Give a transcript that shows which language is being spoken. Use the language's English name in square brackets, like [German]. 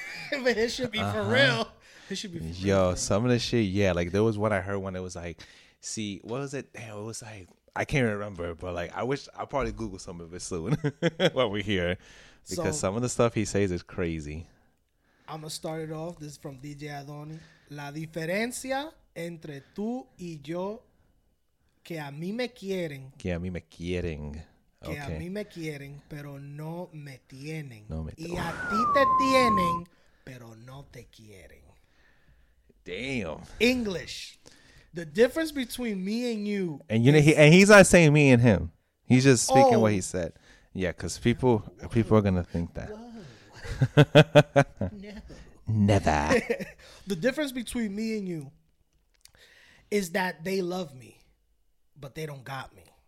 [English] But it should be for real. It should be. For Yo, real. Some of the shit. Yeah, like there was one I heard when it was like, "See, what was it?" Damn, it was like I can't remember. But like, I wish I'll probably Google some of it soon while we're here, because some of the stuff he says is crazy. I'm going to start it off. This is from DJ ADONIIII. [Spanish] La diferencia entre tú y yo, que a mí me quieren. Que a mí me quieren. Que okay. A mí me quieren, pero no me tienen. No me y a ti te tienen, pero no te quieren. [English] Damn. English. The difference between me and you. And you know, he's not saying me and him. He's just speaking what he said. Yeah, because people are going to think that. What? Never. The difference between me and you is that they love me, but they don't got me.